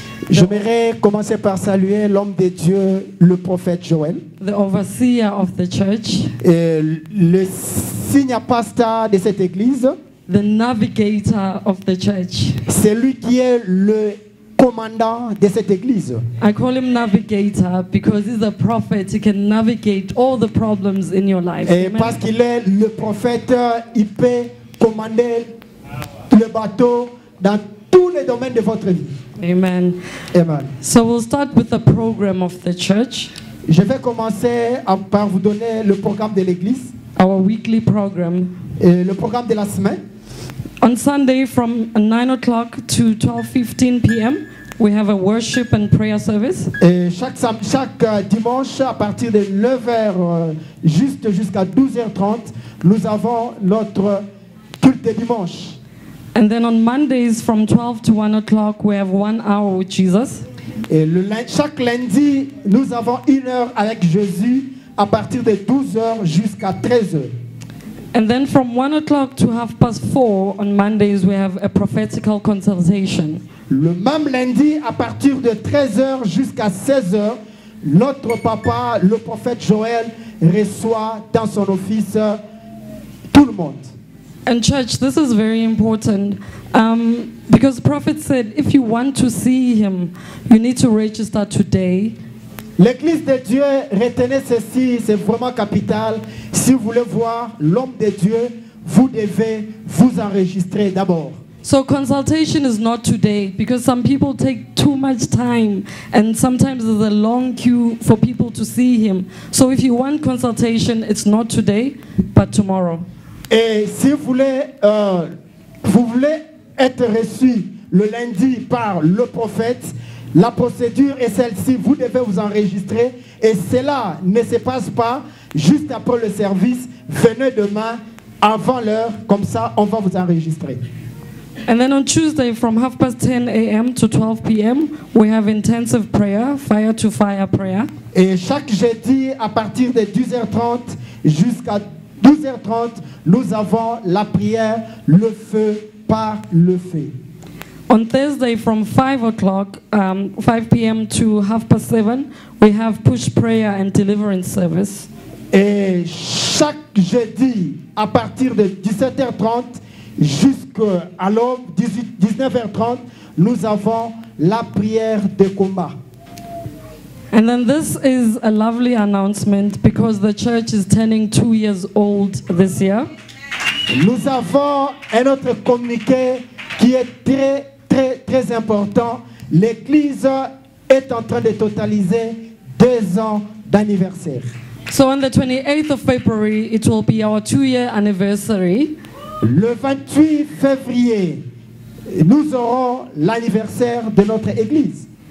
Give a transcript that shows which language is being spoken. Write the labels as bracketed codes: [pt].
[fr] J'aimerais commencer par saluer l'homme de Dieu, le prophète Joël. [en] The overseer of the church. [fr] Et le signe pasteur de cette église. [en] The navigator of the church. [fr] C'est lui qui est le commandant de cette église. [en] I call him navigator because he's a prophet. He can navigate all the problems in your life. [fr] Et amen. Parce qu'il est le prophète, il peut commander le bateau dans tous les domaines de votre vie. Amen. Amen. [en] So we'll start with the program of the church. [fr] Je vais commencer par vous donner le programme de l'église. [en] Our weekly program. [fr] Et le programme de la semaine. [en] On Sunday from 9 o'clock to 12:15 p.m. we have a worship and prayer service. [fr] Et chaque dimanche à partir de 9h jusqu'à 12h30, nous avons notre culte de dimanche. [en] And then on Mondays from 12 to 1 o'clock, we have 1 hour with Jesus. [fr] Et chaque lundi, nous avons une heure avec Jésus à partir de 12h jusqu'à 13h. [en] And then from 1 o'clock to 4:30 on Mondays, we have a prophetical consultation. [fr] Le même lundi, à partir de 13h jusqu'à 16h, notre papa, le prophète Joël, reçoit dans son office tout le monde. [en] And church, this is very important because the prophet said, if you want to see him, you need to register today. [fr] L'église de Dieu, retenez ceci, c'est vraiment capital. Si vous voulez voir l'homme de Dieu, vous devez vous enregistrer d'abord. [en] So consultation is not today because some people take too much time and sometimes there's a long queue for people to see him. So if you want consultation, it's not today, but tomorrow. [fr] Et si vous voulez, vous voulez être reçu le lundi par le prophète, la procédure est celle-ci. Vous devez vous enregistrer et cela ne se passe pas juste après le service. Venez demain avant l'heure, comme ça on va vous enregistrer. [en] And then on Tuesday from 10:30 a.m. to 12 p.m. we have intensive prayer, fire to fire prayer. [fr] Et chaque jeudi à partir de 10h30 jusqu'à 12h30, nous avons la prière, le feu par le feu. [en] On Thursday from 5 p.m. to 7:30, we have push prayer and deliverance service. [fr] Et chaque jeudi, à partir de 17h30 jusqu'à l'aube, 19h30, nous avons la prière de combat. [en] And then this is a lovely announcement because the church is turning 2 years old this year. [fr] Nous avons un autre communiqué qui est très, très, très important. L'église est en train de totaliser 2 ans d'anniversaire. [en] So on the 28th of February, it will be our 2 year anniversary. [fr] Le 28 février, nous aurons l'anniversaire de notre église.